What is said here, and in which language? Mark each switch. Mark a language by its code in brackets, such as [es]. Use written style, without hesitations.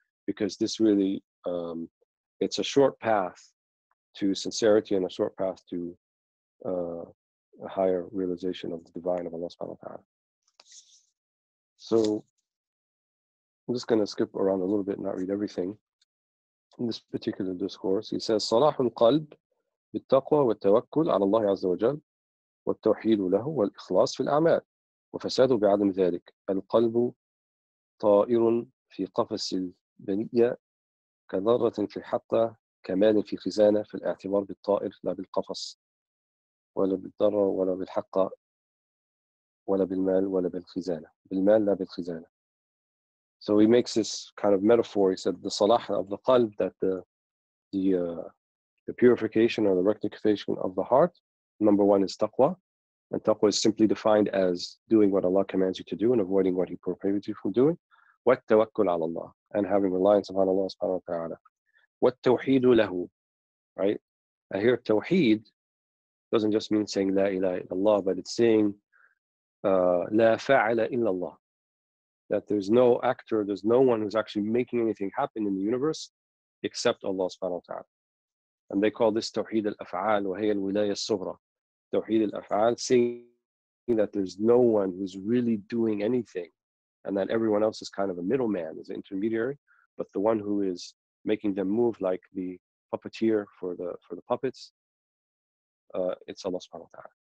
[en] Because this really, it's a short path to sincerity and a short path to a higher realization of the divine, of Allah subhanahu wa ta'ala. So I'm just going to skip around a little bit, not read everything. In this particular discourse, he says, [ar] صلاح القلب بالتقوى والتوكل على الله عز وجل والتوحيد له والإخلاص في الأعمال وفساده بعدم ذلك. القلب طائر في قفص البنية كذرة في الحطة كمال في خزانة، في الاعتبار بالطائر لا بالقفص، ولا بالضرة ولا بالحقة ولا بالمال ولا بالخزانة، بالمال لا بالخزانة. [en] So he makes this kind of metaphor. He said the salah of the qalb, that the purification or the rectification of the heart, number one is taqwa. And taqwa is simply defined as doing what Allah commands you to do and avoiding what He prohibits you from doing. [ar] وَالتَّوَكُّلْ عَلَى اللَّهِ, [en] and having reliance upon Allah subhanahu wa ta'ala. [ar] وَالتَّوْحِيدُ لَهُ, right? [en] I hear tawheed doesn't just mean saying la ilaha illallah, but it's saying [ar] la fa'ala illallah, [en] that there's no actor, there's no one who's actually making anything happen in the universe except Allah subhanahu wa ta'ala. And they call this [ar] tawheed al-af'al wa hayya al-wilaya al-sughra. [en] Tawheed al-af'al, saying that there's no one who's really doing anything, and that everyone else is kind of a middleman, is an intermediary, but the one who is making them move like the puppeteer for the puppets, it's Allah subhanahu wa ta'ala.